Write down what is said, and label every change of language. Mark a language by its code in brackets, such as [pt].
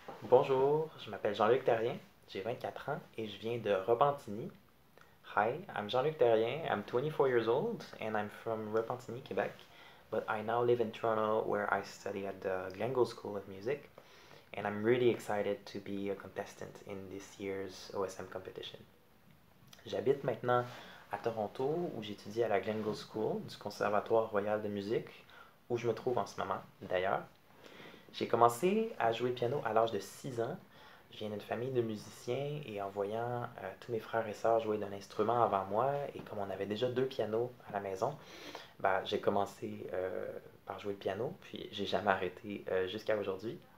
[fr] Bonjour, je m'appelle Jean-Luc Therrien, j'ai 24 ans et je viens de Repentigny. [en] Hi, I'm Jean-Luc Therrien, I'm 24 years old and I'm from Repentigny, Québec, but I now live in Toronto where I study at the Glengo School of Music and I'm really excited to be a contestant in this year's OSM competition. [fr] J'habite maintenant à Toronto où j'étudie à la Glengo School du Conservatoire Royal de Musique où je me trouve en ce moment d'ailleurs. J'ai commencé à jouer piano à l'âge de 6 ans. Je viens d'une famille de musiciens et en voyant tous mes frères et sœurs jouer d'un instrument avant moi, et comme on avait déjà deux pianos à la maison, bah, j'ai commencé par jouer le piano, puis j'ai jamais arrêté jusqu'à aujourd'hui.